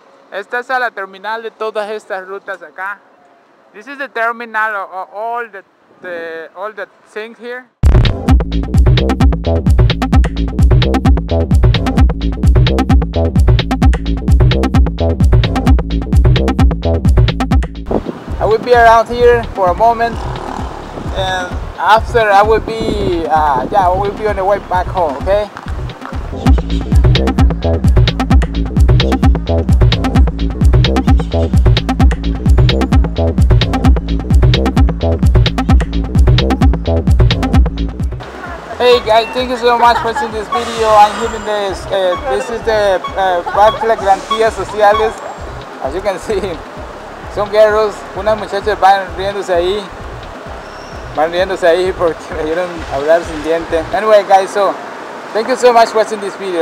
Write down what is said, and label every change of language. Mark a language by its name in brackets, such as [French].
[Spanish] Esta es a la terminal de todas estas rutas acá. [English] This is the terminal of all the things here. I will be around here for a moment, and after I will be, I will be on the way back home, okay? Hey guys, thank you so much for seeing this video. I'm giving this, this is the Parque Garantías Sociales. As you can see, some girls, [Spanish] unas muchachas van riéndose ahí. Van riéndose ahí porque me dieron hablar sin diente. [English] Anyway guys, so thank you so much for watching this video.